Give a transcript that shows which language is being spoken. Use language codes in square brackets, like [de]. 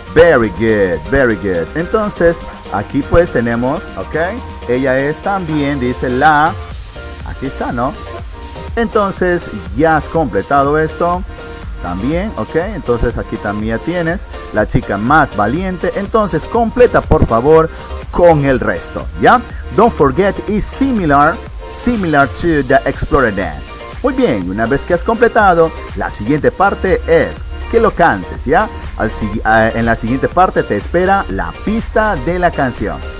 [en] Very good, very good. [es] Entonces, aquí pues tenemos, ok. Ella es también, dice la... Aquí está, ¿no? Entonces, ya has completado esto también, ok. Entonces, aquí también ya tienes la chica más valiente. Entonces, completa, por favor, con el resto, ¿ya? [en] Don't forget, it's similar to the Explorer Dan. [es] Muy bien, una vez que has completado, la siguiente parte es... Que lo cantes, ¿ya? En la siguiente parte te espera la pista de la canción.